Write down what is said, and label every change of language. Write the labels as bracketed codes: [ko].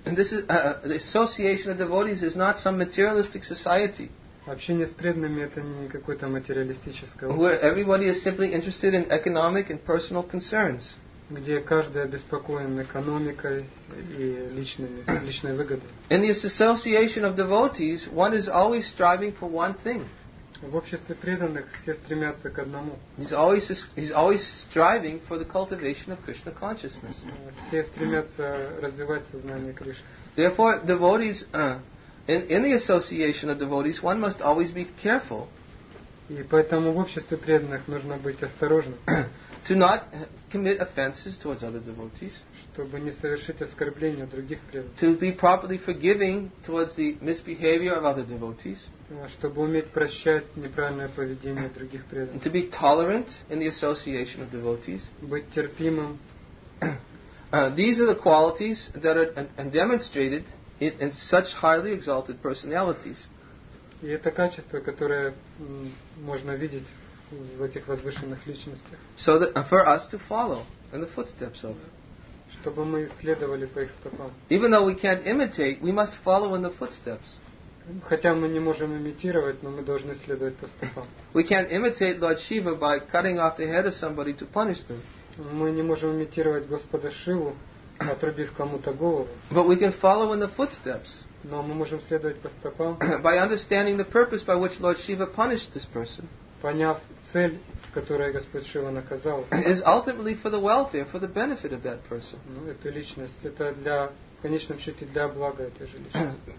[en] And this is the association of devotees is not some materialistic society. [ru] Общение с преданными это не какое-то материалистическое. [en] Where everybody is simply interested in economic and personal concerns. [ru] Где каждый обеспокоен экономикой и личной выгодой. [en] In this association of devotees, one is always striving for one thing. [ru] В обществе преданных все стремятся к одному. [en] He's always striving for the cultivation of Krishna consciousness. [ru] Все стремятся развивать сознание Кришны. [en] Therefore, devotees in the association of devotees, one must always be careful. [ru] И поэтому в обществе преданных нужно быть осторожным. [en] To not commit offenses towards other devotees. [ru] Чтобы не совершить оскорбления других преданных. [en] To be properly forgiving towards the misbehavior of other devotees. [ru] Чтобы уметь прощать неправильное поведение других преданных. [en] To be tolerant in the association of devotees. [ru] Быть терпимым. [en] These are the qualities that are demonstrated in such highly exalted personalities. [ru] И это качество, которое можно видеть в этих возвышенных личностях. [en] So that for us to follow in the footsteps of. [ru] Чтобы мы следовали по их стопам. [en] Even though we can't imitate, we must follow in the footsteps. [ru] Хотя мы не можем имитировать, но мы должны следовать по стопам. [en] We can't imitate Lord Shiva by cutting off the head of somebody to punish them. [ru] Мы не можем имитировать Господа Шиву, отрубив кому-то голову. [en] But we can follow in the footsteps. [ru] Но мы можем следовать по стопам. [en] By understanding the purpose by which Lord Shiva punished this person. [ru] Поняв цель, с которой Господь Шива наказал. [en] Is ultimately for the welfare, for the benefit of that person. [ru] Ну, эта личность, это для, в конечном счете, для блага этой же личности.